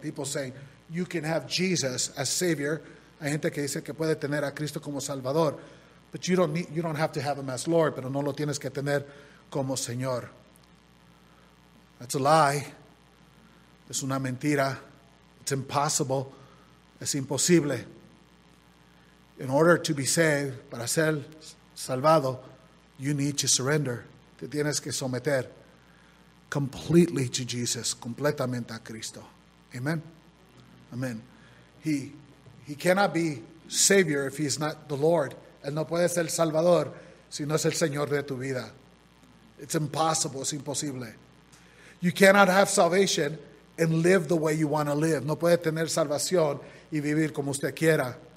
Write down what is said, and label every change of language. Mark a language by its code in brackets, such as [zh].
[en] People say you can have Jesus as Savior. [es] Hay gente que dice que puede tener a Cristo como Salvador, [en] but you don't have to have him as Lord. [es] Pero no lo tienes que tener como Señor. [en] That's a lie. [es] Es una mentira. [en] It's impossible. [es] Es imposible. [en] In order to be saved, [es] para ser salvado, [en] you need to surrender. [es] Te tienes que someter [en] completely to Jesus, [es] completamente a Cristo. Amen? Amen. [en] He cannot be Savior if he is not the Lord. [es] Él no puede ser Salvador si no es el Señor de tu vida. [en] It's impossible. It's imposible. You cannot have salvation and live the way you want to live. [es] No puede tener salvación y vivir como usted quiera.